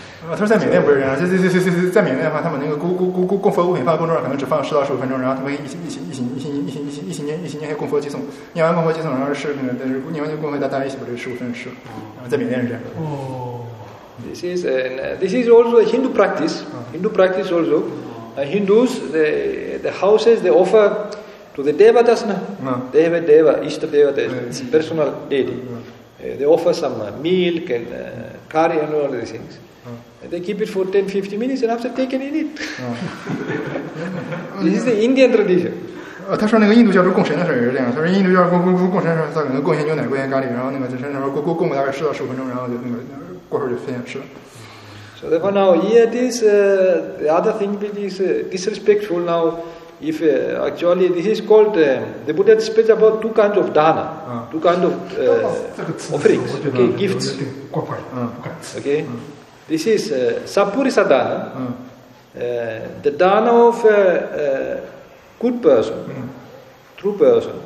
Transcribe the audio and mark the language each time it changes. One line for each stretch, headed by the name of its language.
Chinese: 他说在缅甸不是这样，在缅甸的话，他们那个供佛物品放在供桌上，可能只放10到15分钟，然后他们一起念供佛偈颂，念完供佛偈颂，然后是那个，但是念完供佛，大家一起把这15分钟吃了，在缅甸是这样。
English: This is also a Hindu practice, Hindu practice also. Hindus, the houses, they offer to the devatas. They have a deva, Ishta deva, the personal deity. They offer some milk and curry and all these things. They keep it for 10, 15 minutes and after taken in it. This is the Indian tradition.
Chinese: 他说那个印度教徒供神的时候也是这样，他说印度教徒供神的时候，他可能供些牛奶、供些咖喱，然后那个就是那时候供大概10到15分钟，然后就那个过会儿就分享吃了。
English: So therefore now, here this, the other thing that is disrespectful now, if actually this is called, the Buddha speaks about two kinds of dana, two kinds of offerings, okay, gifts. Okay? This is sapurisa dana, the dana of a good person, true person.